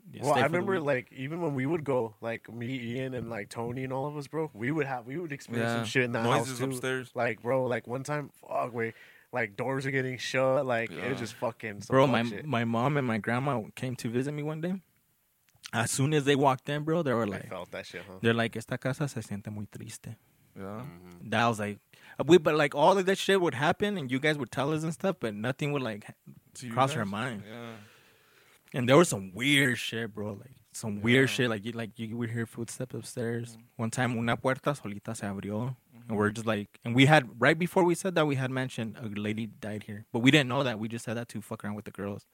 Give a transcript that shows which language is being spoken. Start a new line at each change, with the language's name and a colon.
English: Well, I remember like even when we would go, like me, Ian, and like Tony and all of us, bro, we would experience some shit in the noises house too. Upstairs. Like, bro, like one time, fuck, wait, like doors are getting shut, like it was just fucking some bro, fuck my mom and my grandma came to visit me one day. As soon as they walked in, bro, they were like, I felt that shit, huh? They're like,
Spanish: esta casa se siente muy triste.
English: Yeah. Mm-hmm. That was like, but like all of that shit would happen and you guys would tell us and stuff, but nothing would like cross her mind. Yeah. And there was some weird shit, bro. Like some weird shit. Like you would hear footsteps upstairs. Mm-hmm. One time,
Spanish: una puerta solita se abrió,
English: and we're just like, and we had right before we said that we had mentioned a lady died here, but we didn't know that. We just said that to fuck around with the girls.